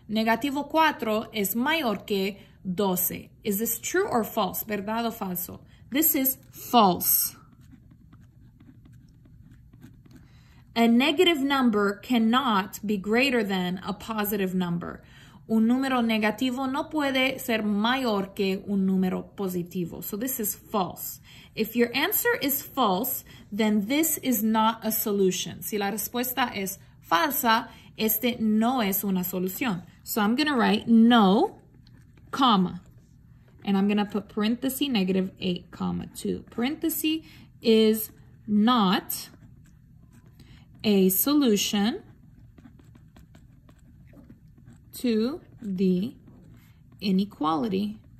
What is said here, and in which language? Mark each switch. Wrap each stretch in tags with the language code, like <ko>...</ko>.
<es>Negativo 4 es mayor que 12.</es> <en>Is this true or false?</en> <es>¿Verdad o falso?</es> <en>This is false. A negative number cannot be greater than a positive number.</en> <es>Un número negativo no puede ser mayor que un número positivo.</es> <en>So this is false. If your answer is false, then this is not a solution.</en> <es>Si la respuesta es falsa, este no es una solución.</es> <en>So I'm going to write no, comma. And I'm going to put parenthesis negative 8, comma 2. Parenthesis is not a solution to the inequality.</en>